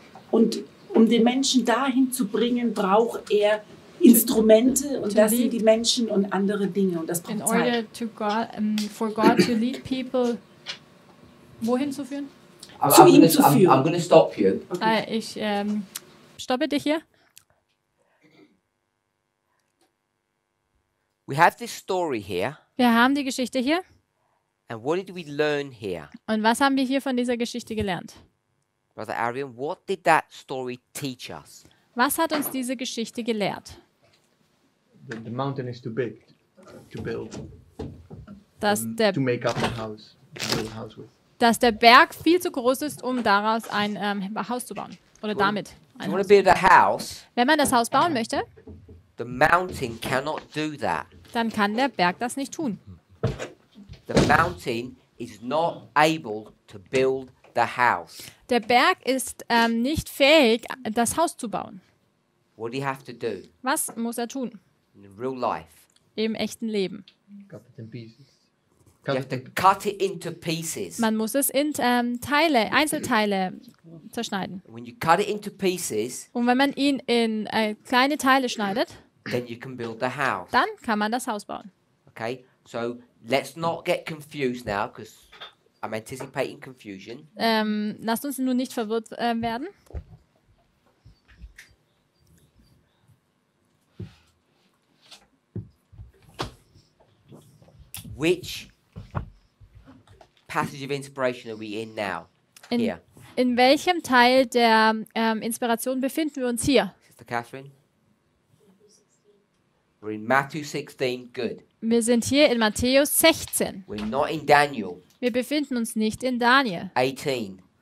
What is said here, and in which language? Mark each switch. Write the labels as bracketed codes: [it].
[de] und um den Menschen dahin zu bringen, braucht er Instrumente und das sind die Menschen und andere Dinge. Und das braucht Zeit. [en] In order to God, for God to lead people... [de] Wohin zu führen? [en] I'm going to stop you. [de] Okay. Ich stoppe dich hier. [en] We have this story here. [de] Wir haben die Geschichte hier. [en] And what did we learn here? [de] Und was haben wir hier von dieser Geschichte gelernt? [en] Brother Arian, what did that story teach us? [de] Was hat uns diese Geschichte gelehrt? [en] The mountain is too big to build. To make up a house, to build a house with. [de] Dass der Berg viel zu groß ist, um daraus ein Haus zu bauen. Oder damit ein Haus. [en] Build a house, [de] wenn man das Haus bauen möchte, [en] the mountain cannot do that. [de] Dann kann der Berg das nicht tun. [en] The mountain is not able to build the house. [de] Der Berg ist nicht fähig, das Haus zu bauen. [en] What do you have to do? [de] Was muss er tun? [en] In real life. [de] Im echten Leben. [en] You have to cut it into pieces. [de] Man muss es in Teile, Einzelteile zerschneiden. [en] When you cut it into pieces, [de] und wenn man ihn in kleine Teile schneidet, [en] then you can build the house. [de] Dann kann man das Haus bauen. [en] Okay, so let's not get confused now, because I'm anticipating confusion. [de] Lasst uns nur nicht verwirrt werden. [en] Which passage of inspiration are we in now? [de] In welchem Teil der Inspiration befinden wir uns hier? [en] Sister Catherine? We're in Matthew 16, good. [de] Wir sind hier in Matthäus 16. [en] We're not in Daniel. [de] Wir befinden uns nicht in Daniel. 18.